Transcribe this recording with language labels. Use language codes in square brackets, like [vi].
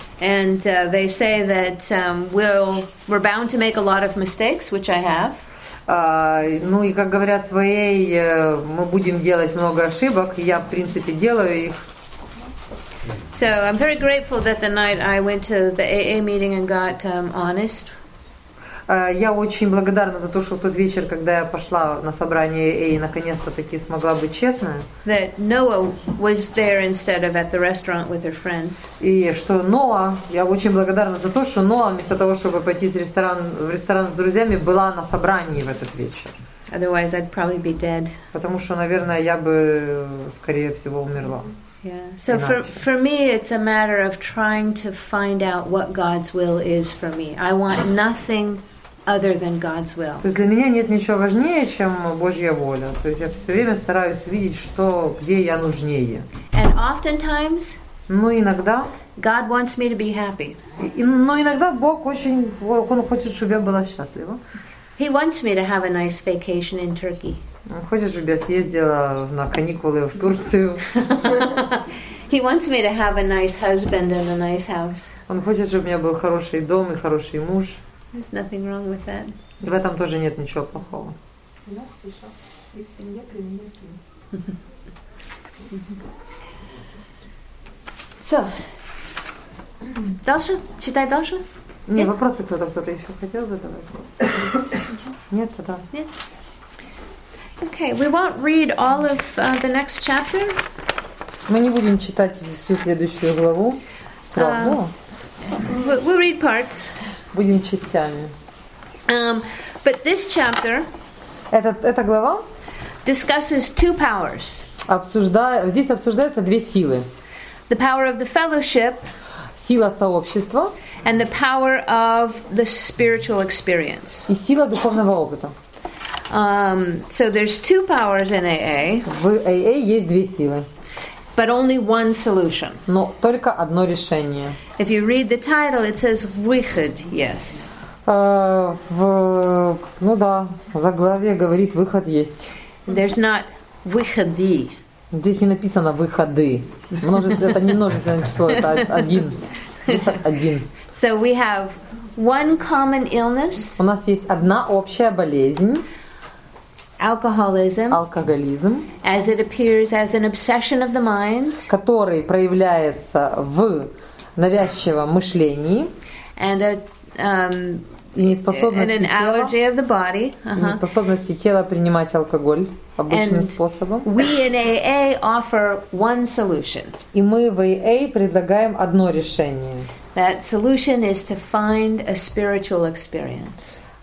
[en] And they say that we're bound to make a lot of mistakes, which I have. [ru] Ну и как говорят в АА, мы будем делать много ошибок, я в принципе делаю их. [en] So I'm very grateful that the night I went to the AA meeting and got honest. [ru] Я очень благодарна за то, что в тот вечер, когда я пошла на собрание AA, наконец-то таки смогла быть честной. [en] That Noah was there instead of at the restaurant with her friends. [ru] И что Noah, я очень благодарна за то, что Noah вместо того, чтобы пойти в ресторан с друзьями, была на собрании в этот вечер. [en] Otherwise, I'd probably be dead. [ru] Потому что, наверное, я бы скорее всего умерла. [en] Yeah. So for me, it's a matter of trying to find out what God's will is for me. I want nothing other than God's will. [ru] То есть для меня нет ничего важнее, чем Божья воля. То есть я все время стараюсь видеть, что где я нужнее. [en] And oftentimes. [ru] Ну иногда. [en] God wants me to be happy. [ru] Но иногда Бог очень, он хочет, чтобы я была счастлива. [en] He wants me to have a nice vacation in Turkey. [ru] Он хочет, чтобы я съездила на каникулы в Турцию. [en] He wants me to have a nice husband and a nice house. [ru] Он хочет, чтобы у меня был хороший дом и хороший муж. [en] There's nothing wrong with that. [ru] И в этом тоже нет ничего плохого. So, дальше? Читай дальше? Не, yeah. Вопросы кто-то еще хотел задавать? Нет, тогда. Нет. [en] Okay, we won't read all of the next chapter. [ru] Мы не будем читать всю следующую главу. [en] We'll read parts. [ru] Будем частями. [en] But this chapter. [ru] Эта глава. [en] Discusses two powers. [ru] Здесь обсуждается две силы. [en] The power of the fellowship. [ru] Сила сообщества. [en] And the power of the spiritual experience. [ru] И сила духовного опыта. [en] So there's two powers in AA. [ru] В AA есть две силы. [en] But only one solution. [ru] Но только одно решение. [en] If you read the title, it says выход. Yes. [ru] Заглавие говорит выход есть. [en] There's not выходы. [ru] Здесь не написано выходы. Это не множественное число, это один. Один. [en] So we have one common illness. [ru] У нас есть одна общая болезнь. [en] Alcoholism, as it appears as an obsession of the mind, [ru] который проявляется в навязчивом мышлении, [en] and an allergy of the body, [ru] и неспособности тела принимать алкоголь обычным способом. [en] We in AA offer one solution. [ru] И мы в AA предлагаем одно решение. [en] That solution is to find a spiritual experience.